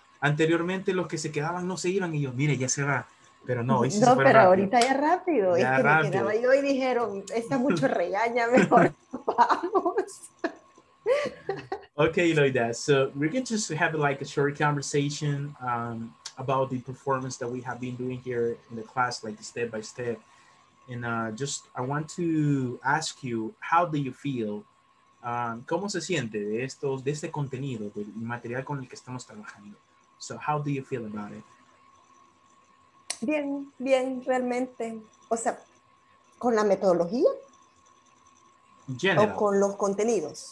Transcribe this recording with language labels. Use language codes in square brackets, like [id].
[es] Anteriormente los que se quedaban no se iban y yo, mire, ya se va. Pero no, hoy sí se fue pero rápido. Ahorita ya rápido. Ya es que rápido. Me quedaba y hoy dijeron, está mucho regaña, mejor vamos. [en] Ok, Loida. So, we're going to just have like a short conversation about the performance that we have been doing here in the class, like step by step. And just, I want to ask you, how do you feel? [es] ¿Cómo se siente de estos, de este contenido, del material con el que estamos trabajando? [en] So, how do you feel about it? [es] Bien, bien, realmente. O sea, ¿con la metodología? [en] General. [es] ¿O con los contenidos?